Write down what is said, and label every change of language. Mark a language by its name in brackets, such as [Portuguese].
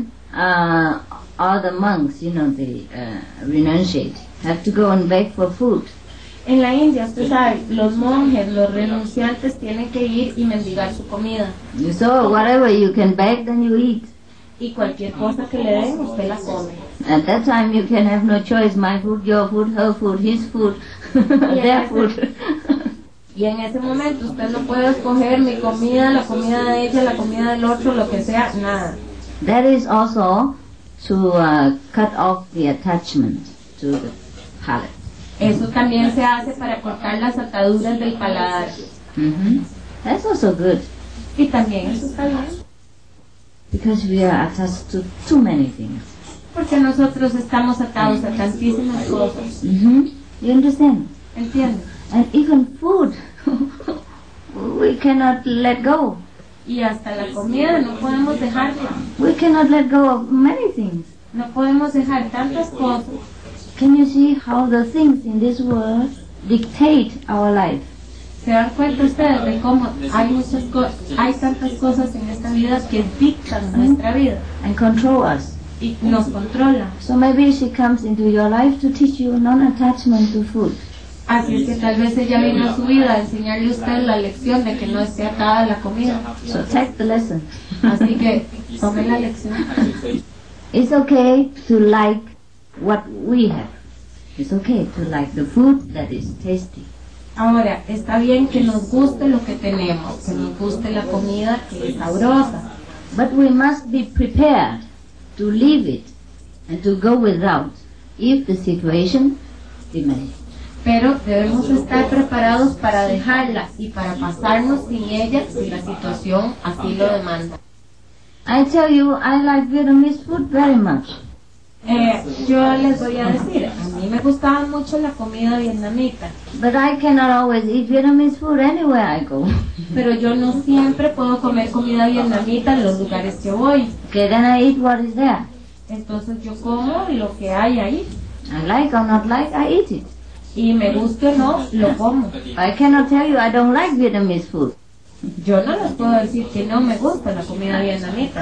[English] The monks, you know, they renunciate, have to go and beg for food. [Spanish] En la India, usted sabe, los monjes, los renunciantes tienen que ir y mendigar su comida. [English] So, whatever you can beg, then you eat. [Spanish] Y cualquier cosa que le den, usted la come. [English] At that time you can have no choice, my food, your food, her food, his food, their food. [Spanish] Y en ese momento usted no puede escoger mi comida, la comida de ella, la comida del otro, lo que sea, nada. [English] That is also to cut off the attachment to the palate. [Spanish] Eso también se hace para cortar las ataduras del paladar. [English] Mm-hmm. That's also good. [Spanish] Y también eso está bien. [English] Because we are attached to too many things. [Spanish] Porque nosotros estamos atados a tantísimas cosas. [English] Mm-hmm. You understand? [Spanish] Entiendo. [English] And even food, we cannot let go. [Spanish] Y hasta la comida no podemos dejarla. [English] We cannot let go of many things. [Spanish] No podemos dejar tantas cosas. [English] Can you see how the things in this world dictate our life? [Spanish] ¿Se dan cuenta ustedes de cómo hay muchas hay tantas cosas en esta vida que dictan nuestra vida? [English] And control us. [Spanish] Y nos controla. [English] So maybe she comes into your life to teach you non-attachment to food. [Spanish] Así es que tal vez ella vino a su vida a enseñarle a usted la lección de que no esté atada a la comida. [English] So take the lesson. [Spanish] Así que tome la lección. [English] It's okay to like what we have. It's okay to like the food that is tasty. [Spanish] Ahora, está bien que nos guste lo que tenemos, que nos guste la comida que es sabrosa. [English] But we must be prepared to leave it and to go without if the situation demands. [Spanish] Pero debemos estar preparados para dejarla y para pasarnos sin ella si la situación así lo demanda. [English] I tell you, I like Vietnamese food very much. [Spanish] Yo les voy a decir, a mí me gustaba mucho la comida vietnamita. [English] But I cannot always eat Vietnamese food anywhere I go. [Spanish] Pero yo no siempre puedo comer comida vietnamita en los lugares que voy. [English] Okay, then I eat what is there. [Spanish] Entonces yo como lo que hay ahí. [English] I like or not like, I eat it. [Spanish] Y me guste o no, lo como. [English] I cannot tell you I don't like Vietnamese food. [Spanish] Yo no les puedo decir que no me gusta la comida vietnamita.